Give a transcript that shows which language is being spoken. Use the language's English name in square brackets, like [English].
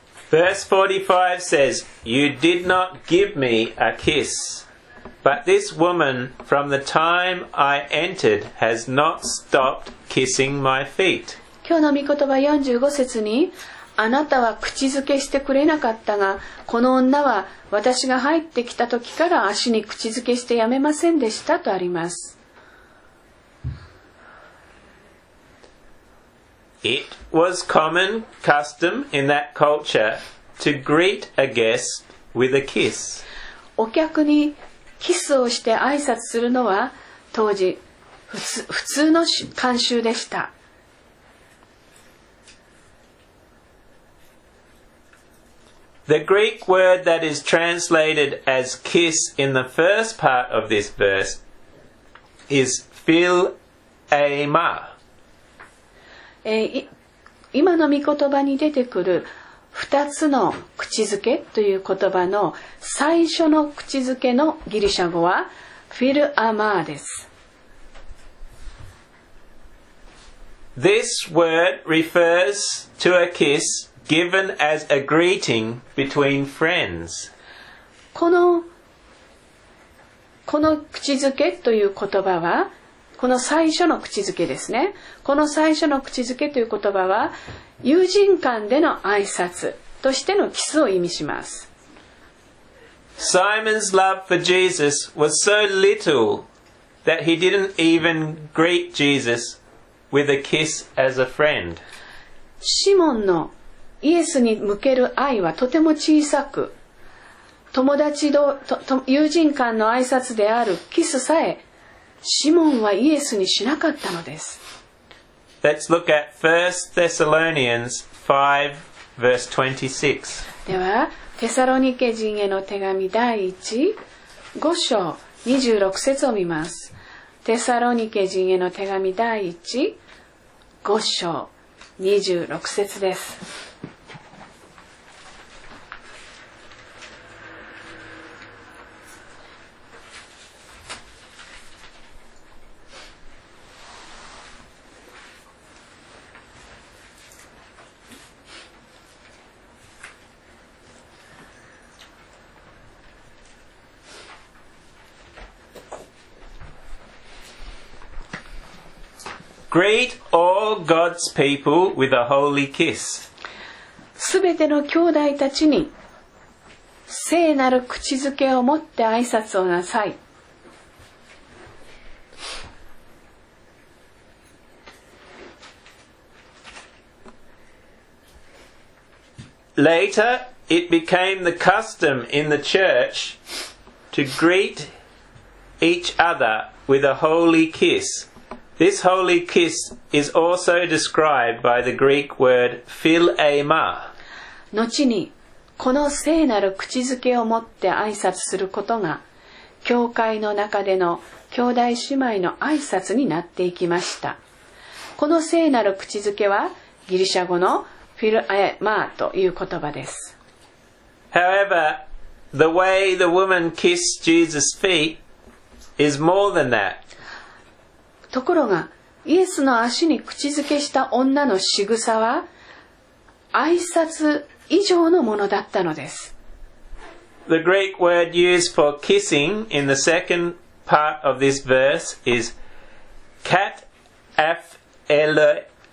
[English] Verse 45 says, "You did not give me a kiss." But this woman, from the time I entered, has not stopped kissing my feet. [Japanese] 今日の御言葉45節に、あなたは口づけしてくれなかったが、この女は私が入ってきた時から足に口づけしてやめませんでしたとあります。 [English] It was common custom in that culture to greet a guest with a kiss. [Japanese] お客にキスをして挨拶するのは当時普通の慣習でした。 [English] The Greek word that is translated as kiss in the first part of this verse is philema. [Japanese] 今の御言葉に出てくる二つの口づけという言葉の最初の口づけのギリシャ語はフィルアマーです。 [English] This word refers to a kiss given as a greeting between friends. [Japanese] この口づけという言葉は、この最初の口づけですね。この最初の口づけという言葉は、友人間での挨拶としてのキスを意味します。 [English] Simon's love for Jesus was so little that he didn't even greet Jesus with a kiss as a friend. [Japanese] シモンのイエスに向ける愛はとても小さく、友人間の挨拶であるキスさえシモンはイエスにしなかったのです。 [English] Let's look at 1 Thessalonians 5 verse 26. [Japanese] では、テサロニケ人への手紙第1、5章26節を見ます。テサロニケ人への手紙第1、5章26節です。 [English] Greet all God's people with a holy kiss. [Japanese] すべての兄弟たちに聖なる口づけを持って挨拶をなさい。 [English] Later, it became the custom in the church to greet each other with a holy kiss. This holy kiss is also described by the Greek word philema. [Japanese] 後にこの聖なる口づけを持って挨拶することが教会の中での兄弟姉妹の挨拶になっていきました。この聖なる口づけはギリシャ語のフィルエマーという言葉です。 [English] However, the way the woman kissed Jesus' feet is more than that. [Japanese] ところが、イエスの足に口づけした女の仕草は、挨拶以上のものだったのです。 [English] The Greek word used for kissing in the second part of this verse is kataphileo.